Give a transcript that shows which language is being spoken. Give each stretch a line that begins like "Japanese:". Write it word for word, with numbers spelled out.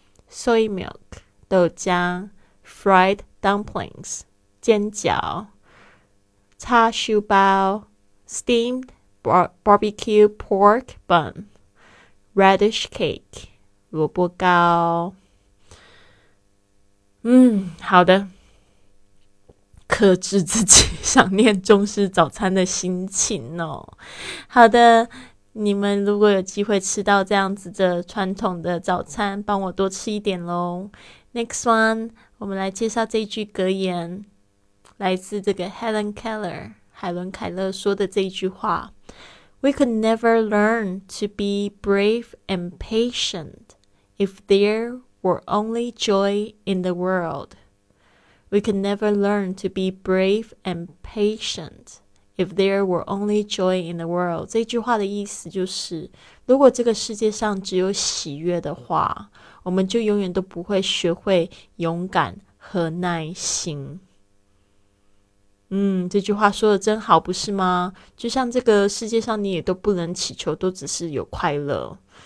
English: soy milk
Chinese: 豆浆。
English: fried dumplings
Chinese: 煎饺。叉烧包。
English: steamed bar- barbecue pork bun. radish cake
Chinese: 萝卜糕。嗯，好的，克制自己想念中式早餐的心情哦。好的，你们如果有机会吃到这样子的传统的早餐，帮我多吃一点咯。
English: Next one，
Chinese: 我们来介绍这一句格言，来自这个 Helen Keller 海伦凯勒说的这一句话，
English: We could never learn to be brave and patient if there were only joy in the world. We could never learn to be brave and patient if there were only joy in the world.
Chinese: 这句话的意思就是，如果这个世界上只有喜悦的话，我们就永远都不会学会勇敢和耐心。嗯，这句话说的真好，不是吗？就像这个世界上你也都不能祈求，都只是有快乐。